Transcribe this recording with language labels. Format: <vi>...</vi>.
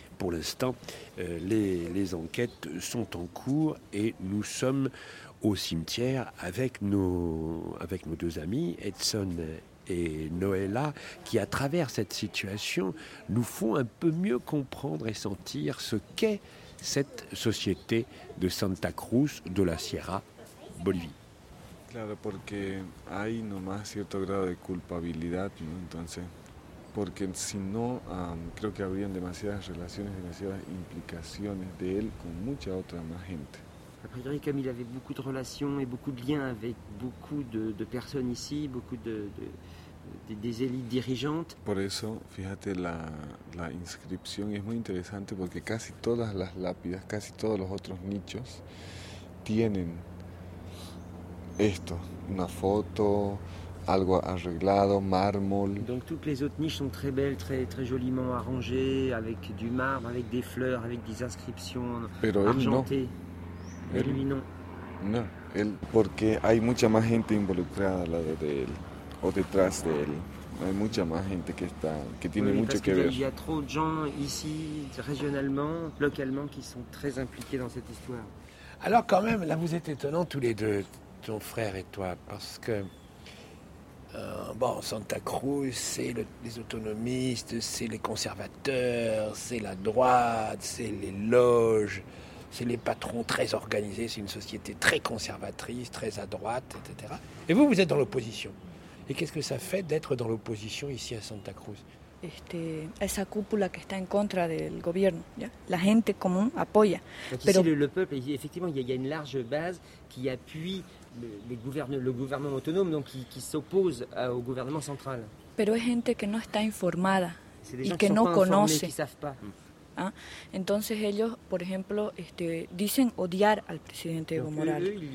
<fr>Pour l'instant, les enquêtes sont en cours et nous sommes au cimetière avec nos deux amis, Edson et Noëlla, qui, à travers cette situation, nous font un peu mieux comprendre et sentir ce qu'est cette société de Santa Cruz de la Sierra, Bolivie.</fr> <es>Claro, porque hay nomás cierto grado de culpabilidad, ¿no? Entonces, porque si no, creo que habrían demasiadas relaciones, demasiadas implicaciones de él con mucha otra más gente.</es> <fr>A priori, comme il avait beaucoup de relations et beaucoup de liens avec beaucoup de personnes ici, beaucoup des élites dirigeantes.</fr> <es>Por eso, fíjate, la inscripción es muy interesante porque casi todas las lápidas, casi todos los otros nichos tienen esto, una foto, algo arreglado, mármol.</es> <fr>Donc toutes les autres niches sont très belles, très très joliment arrangées, avec du marbre, avec des fleurs, avec des inscriptions</fr> <es>pero</es> <fr>argentées.</fr> <es>Él,</es> <fr>lui, non.</fr> <es>No, él, porque hay mucha más gente involucrada al lado de él o detrás de él. Hay mucha más gente que tiene</es> <fr>oui,</fr> <es>mucho que ver.</es> <fr>Il y a trop de gens ici, régionalement, localement, qui sont très impliqués dans cette histoire. Alors quand même, là vous êtes étonnants tous les deux, ton frère et toi, parce que bon, Santa Cruz, c'est les autonomistes, c'est les conservateurs, c'est la droite, c'est les loges. C'est les patrons très organisés, c'est une société très conservatrice, très à droite, etc. Et vous, vous êtes dans l'opposition. Et qu'est-ce que ça fait d'être dans l'opposition ici à Santa Cruz?</fr> <es>Esa cúpula que está en contra del gobierno, ¿ya? La gente común apoya.</es> <fr>Pero ici, le peuple, effectivement, il y a une large base qui appuie le gouvernement autonome, donc qui s'oppose au gouvernement central.</fr> <es>Pero es gente que no está informada y que no conoce.</es> <fr>Qui savent pas. ¿Ah?</fr> <es>Entonces ellos, por ejemplo, dicen odiar al presidente Evo Morales.</es>